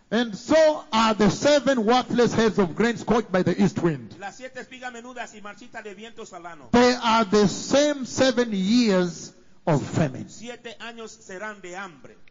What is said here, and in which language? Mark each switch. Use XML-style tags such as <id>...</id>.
<en>And so are the seven worthless heads of grain scorched by the east wind.</en> <es>Las siete espigas menudas y marchitas de viento salano.</es> <en>They are the same 7 years of famine.</en> <es>Siete años serán de hambre.</es>